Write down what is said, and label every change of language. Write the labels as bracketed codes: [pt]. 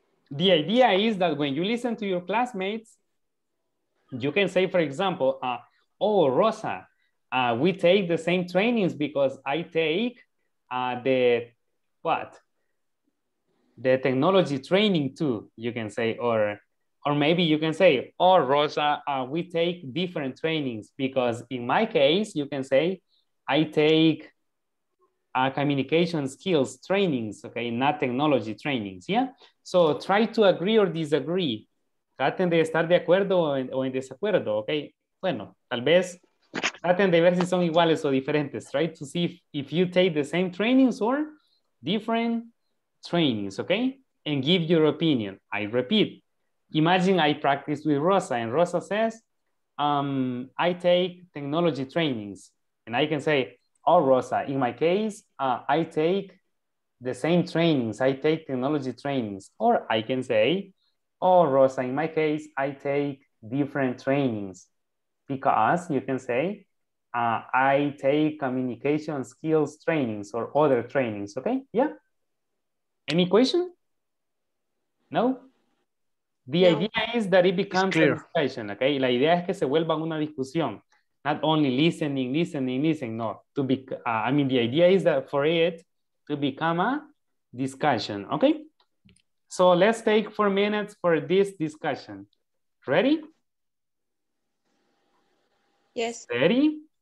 [en] The idea is that when you listen to your classmates, you can say, for example, oh, Rosa, we take the same trainings because I take the technology training too, you can say, or maybe you can say, oh, Rosa, we take different trainings because in my case, you can say, I take communication skills trainings, okay? Not technology trainings, yeah? So try to agree or disagree. [es] Traten de estar de acuerdo o en desacuerdo, okay? Bueno, tal vez, traten de ver si son iguales o diferentes. [en] Try to see if you take the same trainings or different trainings, okay? And give your opinion. I repeat. Imagine I practice with Rosa and Rosa says, I take technology trainings. And I can say, oh, Rosa, in my case, I take the same trainings. I take technology trainings. Or I can say, oh, Rosa, in my case, I take different trainings. Because you can say, I take communication skills trainings or other trainings. Okay, yeah. Any question? No? The idea is that it becomes a discussion, okay? [es] La idea es que se vuelva una discusión. [en] Not only listening, no. The idea is that for it to become a discussion, okay? So let's take 4 minutes for this discussion. Ready? Yes. Ready?